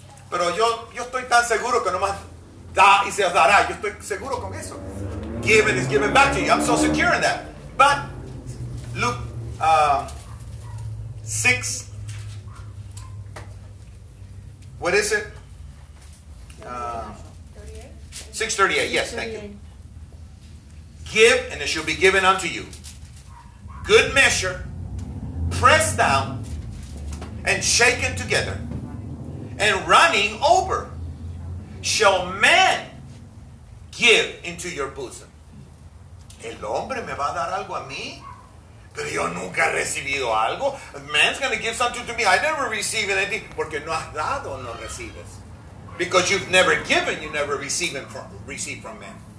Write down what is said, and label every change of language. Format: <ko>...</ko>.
<es>Pero yo estoy tan seguro que nomás da y se os dará. Yo estoy seguro con eso.</es> <en>Given is given back to you. I'm so secure in that. But look, 6. What is it? 6:38. Yes, thank you. Give and it shall be given unto you. Good measure, pressed down and shaken together. And running over, shall man give into your bosom?</en> <es>El hombre me va a dar algo a mí, pero yo nunca he recibido algo.</es> <en>Man's going to give something to me. I never receive anything. Porque no has dado, no recibes. Because you've never given, you never receive from men.</en>